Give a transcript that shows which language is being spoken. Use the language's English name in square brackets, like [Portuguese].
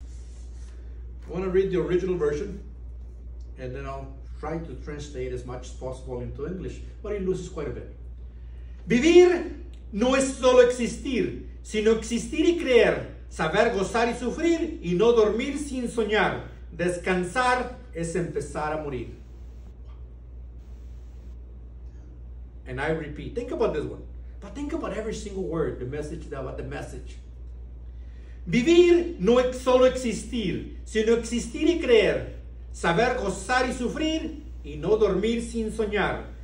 [English] I want to read the original version, and then I'll try to translate as much as possible into English, but it loses quite a bit. [Spanish] Vivir no es solo existir, sino existir y creer, saber gozar y sufrir, y no dormir sin soñar. Descansar es empezar a morir. [English] And I repeat, think about this one, but think about every single word, the message, about the message. [Spanish] Vivir no es solo existir, sino existir y creer, saber gozar y sufrir, y no dormir sin soñar.